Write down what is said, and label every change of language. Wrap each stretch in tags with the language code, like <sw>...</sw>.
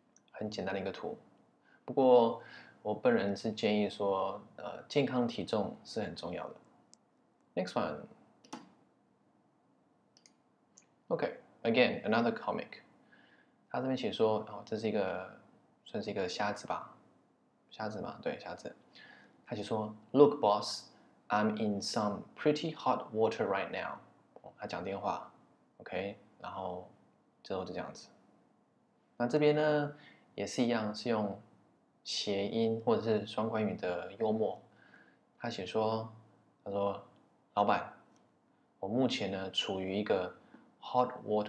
<zh>很简单的一个图，不过我本人是建议说，健康体重是很重要的。</zh> <en>Next one。 OK，again、okay, another comic。</en> <zh>他这边写说，哦，这是一个算是一个瞎子吧，瞎子嘛，对，瞎子。他写说 ，</zh> <en>Look, boss。 I'm in some pretty hot water right now.</en> <zh>他讲电话 ，OK， 然后之后就这样子。那这边呢，也是一样，是用谐音或者是双关语的幽默。他写说，他说，老板，我目前呢处于一个</zh> <en>hot water。</en>